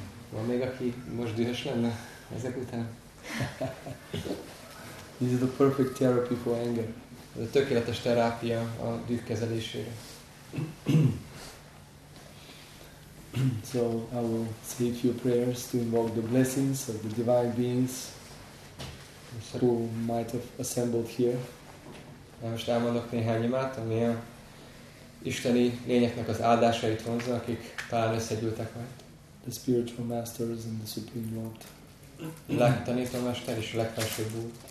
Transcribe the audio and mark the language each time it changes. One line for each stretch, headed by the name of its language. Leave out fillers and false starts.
Hungarian: Van még, aki most dühös lenne ezek után?
English: This is the perfect therapy for anger.
Hungarian: Ez a tökéletes terápia a düh kezelésére.
English: So I will say a few prayers to invoke the blessings of the divine beings who might have assembled here.
Hungarian: Most elmondok néhány imát, ami a isteni lényeknek az áldásait vonza, akik talán összegyűltek majd.
English: The spiritual masters and the supreme lord.
Hungarian: Lelkitanítómester és a legfelsőbb úr.